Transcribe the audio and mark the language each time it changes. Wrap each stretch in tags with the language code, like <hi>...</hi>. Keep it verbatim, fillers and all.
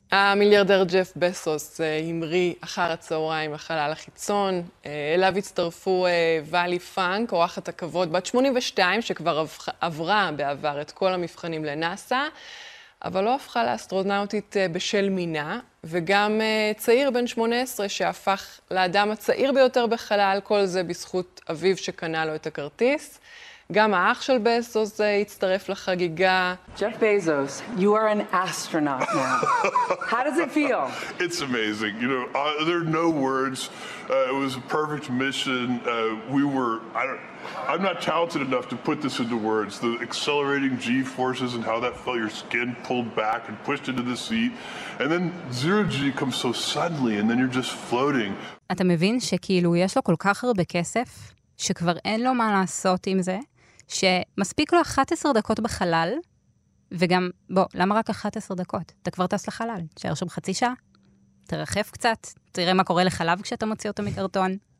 <he>המיליארדר ג'ף בסוס המריא אחר הצהריים לחלל החיצון, אליו הצטרפו ואלי פאנק, אורחת הכבוד בת שמונים ושתיים, שכבר עברה בעבר את כל המבחנים לנאסא, אבל לא הפכה לאסטרונאוטית בשל מינה, וגם צעיר בן שמונה עשרה שהפך לאדם הצעיר ביותר בחלל, כל זה בזכות אביו שקנה לו את הכרטיס. גם האח של בסוס הצטרף לחגיגה.</he> <en>Jeff Bezos, you are an astronaut now. How does it feel? It's amazing. You know, uh, there are no words. Uh, it was a perfect mission. Uh, we were, I don't, I'm not talented enough to put this into words. The accelerating G forces and how that felt, your skin pulled back and pushed into the seat. And then zero G comes so suddenly and then you're just floating.</en> <he>אתה מבין שכאילו יש לו כל כך הרבה כסף, שכבר אין לו מה לעשות עם זה, שמספיק לו אחת עשרה דקות בחלל, וגם, בוא, למה רק אחת עשרה דקות? אתה כבר טס לחלל, תשאר שם חצי שעה, תרחף קצת, תראה מה קורה לחלב כשאתה מוציא אותו מקרטון.</he>